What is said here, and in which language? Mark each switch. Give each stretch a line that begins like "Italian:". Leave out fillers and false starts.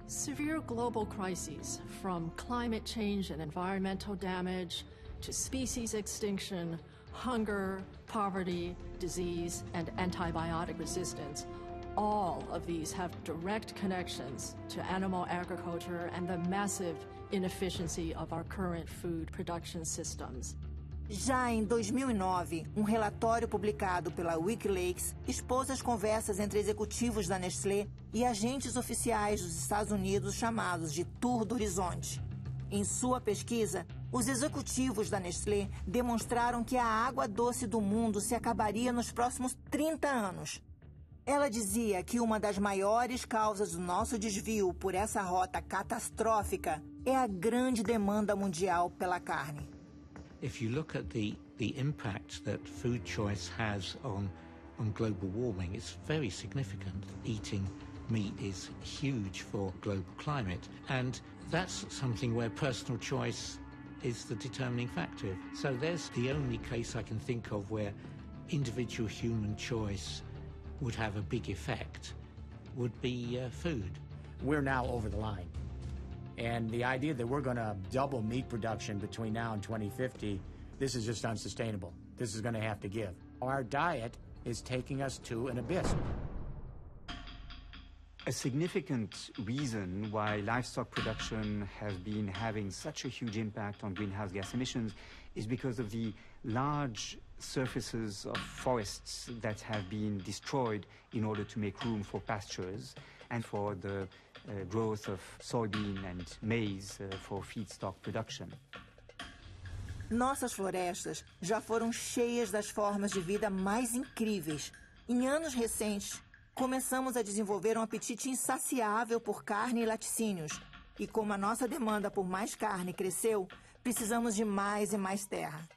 English: Severe global crises, from climate change and environmental damage to species extinction, hunger, poverty, disease, and antibiotic resistance, all of these have direct connections to animal agriculture and the massive inefficiency of our current food production systems.
Portuguese: Já em 2009, um relatório publicado pela WikiLeaks expôs as conversas entre executivos da Nestlé e agentes oficiais dos Estados Unidos chamados de Tour do Horizonte. Em sua pesquisa, os executivos da Nestlé demonstraram que a água doce do mundo se acabaria nos próximos 30 anos. Ela dizia que uma das maiores causas do nosso desvio por essa rota catastrófica é a grande demanda mundial pela carne.
English: If you look at the impact that food choice has on global warming, it's very significant. Eating meat is huge for global climate, and that's something where personal choice is the determining factor. So there's the only case I can think of where individual human choice would have a big effect would be food. We're now over the line. And the idea that we're going to double meat production between now and 2050, this is just unsustainable. This is going to have to give. Our diet is taking us to an abyss. A significant reason why livestock production has been having such a huge impact on greenhouse gas emissions is because of the large surfaces of forests that have been destroyed in order to make room for pastures and for the growth of soybean and maize for feedstock production.
Portuguese: Nossas florestas já foram cheias das formas de vida mais incríveis. Em anos recentes, começamos a desenvolver um apetite insaciável por carne e laticínios. E como a nossa demanda por mais carne cresceu, precisamos de mais e mais terra.